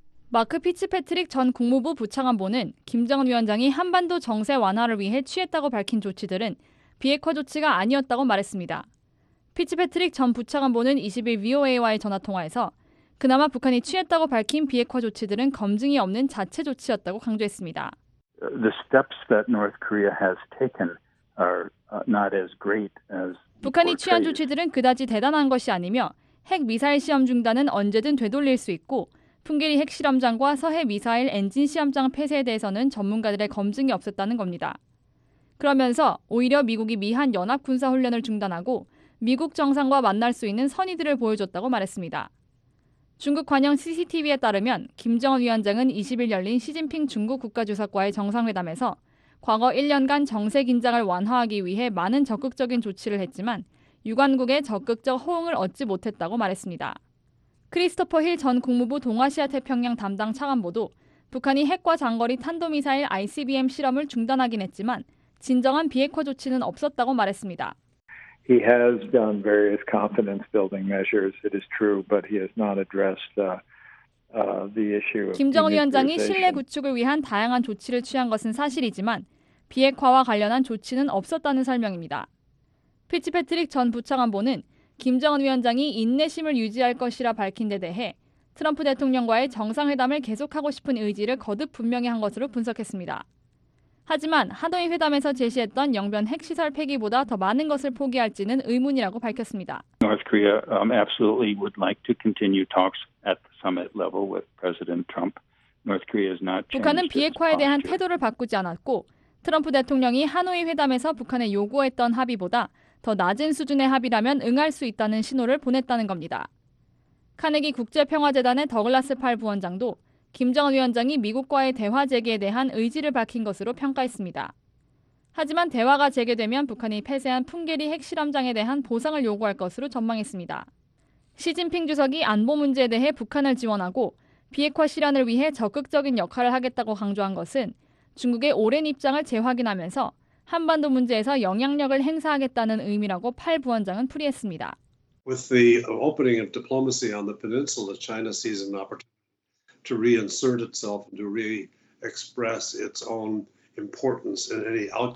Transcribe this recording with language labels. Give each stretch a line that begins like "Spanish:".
Korean: 마크 피츠패트릭 전 국무부 부차관보는 김정은 위원장이 한반도 정세 완화를 위해 취했다고 밝힌 조치들은 비핵화 조치가 아니었다고 말했습니다. 피츠패트릭 전 부차관보는 20일 VOA와의 전화통화에서 그나마 북한이 취했다고 밝힌 비핵화 조치들은 검증이 없는 자체 조치였다고 강조했습니다.
English: The steps that North Korea has taken are not as great as
Korean: 북한이 취한 조치들은 그다지 대단한 것이 아니며 핵 미사일 시험 중단은 언제든 되돌릴 수 있고 풍계리 핵실험장과 서해 미사일 엔진 시험장 폐쇄에 대해서는 전문가들의 검증이 없었다는 겁니다. 그러면서 오히려 미국이 미한 연합군사훈련을 중단하고 미국 정상과 만날 수 있는 선의들을 보여줬다고 말했습니다. 중국 관영 CCTV에 따르면 김정은 위원장은 20일 열린 시진핑 중국 국가주석과의 정상회담에서 과거 1년간 정세 긴장을 완화하기 위해 많은 적극적인 조치를 했지만 유관국의 적극적 호응을 얻지 못했다고 말했습니다. 크리스토퍼 힐 전 국무부 동아시아태평양 담당 차관보도 북한이 핵과 장거리 탄도미사일 ICBM 실험을 중단하긴 했지만 진정한 비핵화 조치는 없었다고 말했습니다.
English: He has done various confidence building measures. It is true, but he has not addressed the issue.
Korean: 김정은 위원장이 신뢰 구축을 위한 다양한 조치를 취한 것은 사실이지만 비핵화와 관련한 조치는 없었다는 설명입니다. 피츠패트릭 전 부차관보는 김정은 위원장이 인내심을 유지할 것이라 밝힌 데 대해 트럼프 대통령과의 정상회담을 계속하고 싶은 의지를 거듭 분명히 한 것으로 분석했습니다. 하지만 하노이 회담에서 제시했던 영변 핵시설 폐기보다 더 많은 것을 포기할지는 의문이라고 밝혔습니다.
English: North Korea absolutely would like to continue talks at the summit level with President Trump. North Korea is not.
Korean: 북한은 비핵화에 대한 태도를 바꾸지 않았고 트럼프 대통령이 하노이 회담에서 북한에 요구했던 합의보다 더 낮은 수준의 합의라면 응할 수 있다는 신호를 보냈다는 겁니다. 카네기 국제평화재단의 더글라스 팔 부원장도 김정은 위원장이 미국과의 대화 재개에 대한 의지를 밝힌 것으로 평가했습니다. 하지만 대화가 재개되면 북한이 폐쇄한 풍계리 핵실험장에 대한 보상을 요구할 것으로 전망했습니다. 시진핑 주석이 안보 문제에 대해 북한을 지원하고 비핵화 실현을 위해 적극적인 역할을 하겠다고 강조한 것은 중국의 오랜 입장을 재확인하면서 한반도 문제에서 영향력을 행사하겠다는 의미라고 팔 부원장은 풀이했습니다.
English: With the opening of diplomacy on the peninsula, China sees an opportunity to reinsert itself and to re-express its own importance in any outcome.